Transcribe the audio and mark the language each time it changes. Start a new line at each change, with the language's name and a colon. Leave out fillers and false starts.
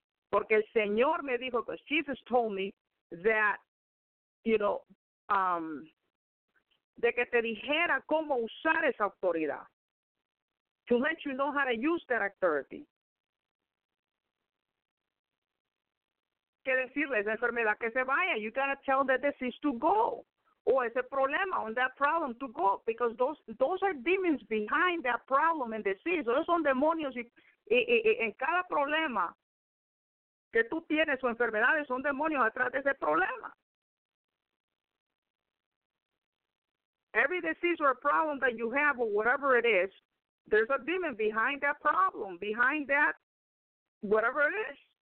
Spanish: Porque el Señor me dijo,
English: because Jesus told me that, you know,
Spanish: de que te dijera cómo usar esa autoridad.
English: To let you know how to use that authority.
Spanish: Que decirle esa enfermedad que se vaya.
English: You gotta tell that disease to go.
Spanish: O ese problema,
English: on that problem to go. Because those are demons behind that problem and disease.
Spanish: Those son demonios. En cada problema que tú tienes o enfermedades, son demonios atrás de ese problema.
English: Every disease or problem that you have or whatever it is, there's a demon behind that problem, behind that whatever it is.